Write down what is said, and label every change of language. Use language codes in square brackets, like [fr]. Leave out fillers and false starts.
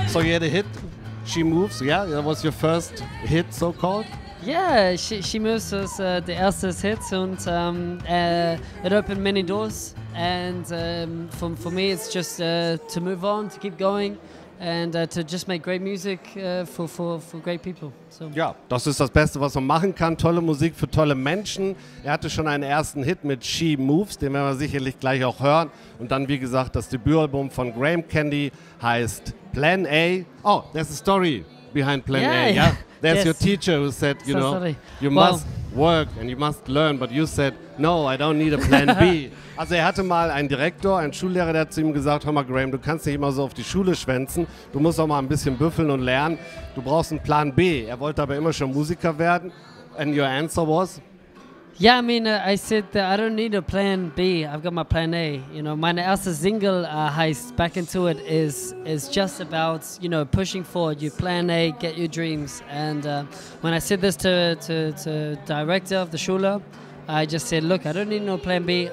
[en] Had a hit, She Moves, yeah, that was your first hit, so called. Yeah, She Moves was the erste hit, and it opened many doors. And for me, it's just to move on, to keep going, and to just make great music for great people. So. [de] Ja, das ist das Beste, was man machen kann. Tolle Musik für tolle Menschen. Er hatte schon einen ersten Hit mit She Moves, den werden wir sicherlich gleich auch hören. Und dann, wie gesagt, das Debütalbum von grahamcandy heißt Plan A. [en] Oh, there's a story behind Plan A. Yeah. There's your teacher who said, you know, you must... Well, work and you must learn. But you said, no, I don't need a plan B. [de] Also er hatte mal einen Direktor, einen Schullehrer, der hat zu ihm gesagt, hör mal Graham, du kannst nicht immer so auf die Schule schwänzen. Du musst auch mal ein bisschen büffeln und lernen. Du brauchst einen Plan B. Er wollte aber immer schon Musiker werden. [en] And your answer was? Yeah, I mean, I said that I don't need a plan B. I've got my plan A. You know, my erste single heißt Back Into It is just about, you know, pushing forward. Your plan A, get your dreams. And when I said this to director of the Schule, I just said, look, I don't need no plan B.